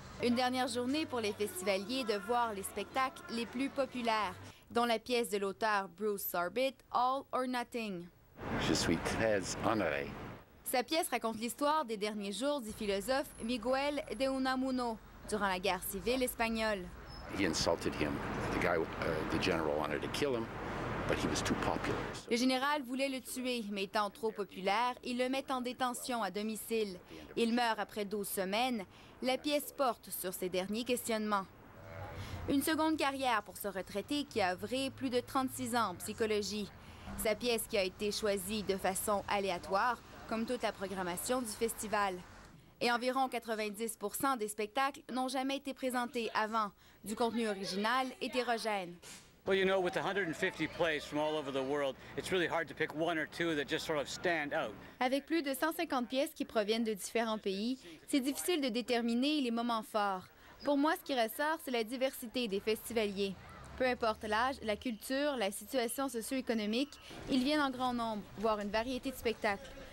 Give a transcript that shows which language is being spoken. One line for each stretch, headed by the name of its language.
French: Une dernière journée pour les festivaliers de voir les spectacles les plus populaires, dont la pièce de l'auteur Bruce Sorbitt, All or Nothing. Je suis très honoré. Sa pièce raconte l'histoire des derniers jours du philosophe Miguel de Unamuno durant la guerre civile espagnole.
English: He insulted him. The general wanted to kill him, but he was too popular.
French: Le général voulait le tuer, mais étant trop populaire, il le met en détention à domicile. Il meurt après 12 semaines. La pièce porte sur ses derniers questionnements. Une seconde carrière pour ce retraité qui a œuvré plus de 36 ans en psychologie. Sa pièce qui a été choisie de façon aléatoire, comme toute la programmation du festival. Et environ 90 % des spectacles n'ont jamais été présentés avant, du contenu original hétérogène.
English: Well, you know, with 150 plays from all over the world, it's really hard to pick one or two that just sort of stand out.
French: Avec plus de 150 pièces qui proviennent de différents pays, c'est difficile de déterminer les moments forts. Pour moi, ce qui ressort, c'est la diversité des festivaliers. Peu importe l'âge, la culture, la situation socio-économique, ils viennent en grand nombre, voire une variété de spectacles.